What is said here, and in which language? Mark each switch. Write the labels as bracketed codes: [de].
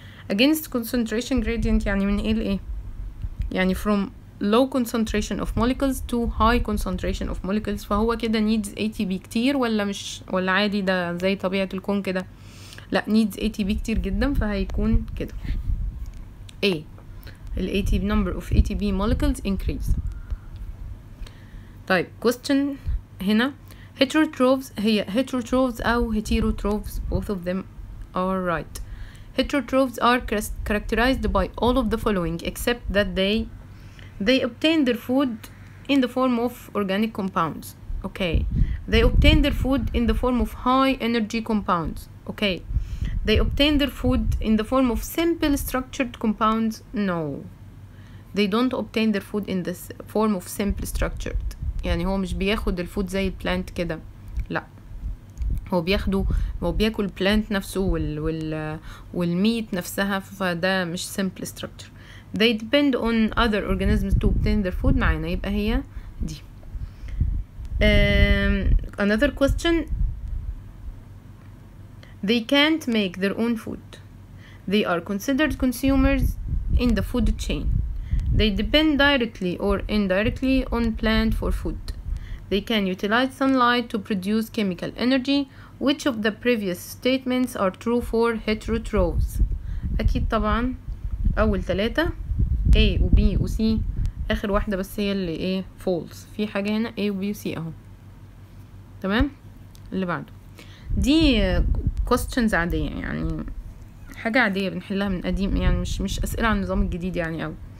[en] Against concentration gradient [ar] يعني من ايه لايه؟ يعني [en] from low concentration of molecules to high concentration of molecules. [ar] فهو كده [en] needs ATP [ar] كتير ولا مش ولا عادي ده زي طبيعة الكون كده؟ لا needs ATP كتير جدا، فهيكون كده A ال ATP [en] number of ATP molecules increase. طيب question هنا heterotrophs، هي heterotrophs أو heterotrophs both of them are right. Heterotrophs are characterized by all of the following except that they obtain their food in the form of organic compounds. Okay. They obtain their food in the form of high energy compounds. Okay. They obtain their food in the form of simple structured compounds. No. They don't obtain their food in the form of simple structured. [ar] يعني هو مش بياخد الفود زي البلانت كده. لا. هو بياخده هو بياكل البلانت نفسه والميت نفسها، فده مش [en] simple structure. They depend on other organisms to obtain their food. [ar] معنا يبقى هي دي. [en] Another question. They can't make their own food. They are considered consumers in the food chain. They depend directly or indirectly on plant for food. They can utilize sunlight to produce chemical energy. Which of the previous statements are true for heterotrophs? [ar] أكيد طبعا أول ثلاثة A و B و C، آخر واحدة بس هي اللي A false. في حاجة هنا A و B و C اهو. تمام؟ اللي بعده دي questions عادية، يعني حاجة عادية بنحلها من قديم، يعني مش أسئلة عن النظام الجديد يعني أو.